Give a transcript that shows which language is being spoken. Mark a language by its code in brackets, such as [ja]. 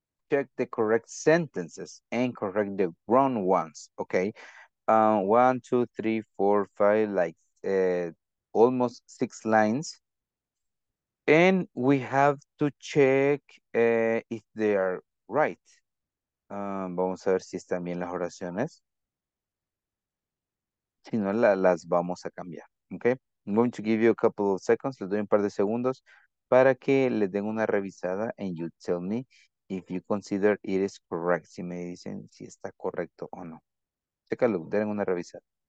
[en] Check the correct sentences and correct the wrong ones, okay? 1, 2, 3, 4, 5, like almost 6 lines. And we have to check if they are right. [es] Vamos a ver si están bien las oraciones. Si no, las vamos a cambiar, okay? [en] I'm going to give you a couple of seconds. [es] Les doy un par de segundos para que les den una revisada [en] and you tell me if you consider it is correct, [es] si me dicen si está correcto o no. Chécalo, den una revisada.